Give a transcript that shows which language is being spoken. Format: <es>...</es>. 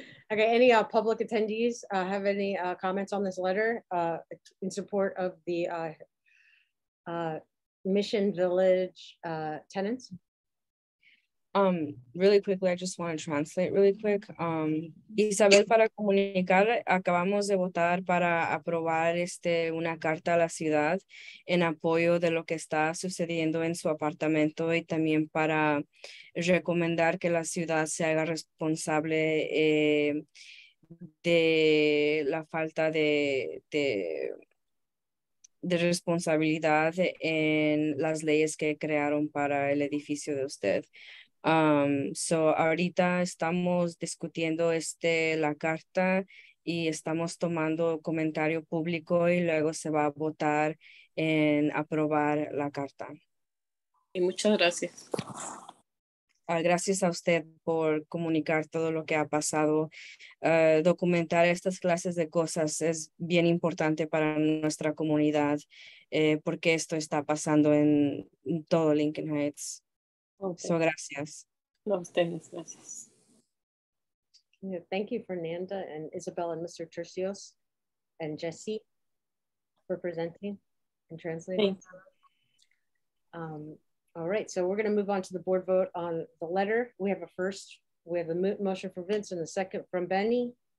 <en>Okay, any public attendees have any comments on this letter in support of the Mission Village tenants? Really quickly, I just want to translate really quick.</en> <es>Isabel, para comunicar, acabamos de votar para aprobar una carta a la ciudad en apoyo de lo que está sucediendo en su apartamento y también para recomendar que la ciudad se haga responsable de la falta de responsabilidad en las leyes que crearon para el edificio de usted. So ahorita estamos discutiendo la carta y estamos tomando comentario público y luego se va a votar en aprobar la carta. Y muchas gracias. Gracias a usted por comunicar todo lo que ha pasado. Documentar estas clases de cosas es bien importante para nuestra comunidad porque esto está pasando en todo Lincoln Heights. Okay. So, gracias. No, ustedes, gracias.</es> <en>Yeah, thank you, Fernanda and Isabel and Mr. Tercios and Jesse for presenting and translating. All right, so we're going to move on to the board vote on the letter. We have a first, we have a motion from Vince and a second from Benny.</en>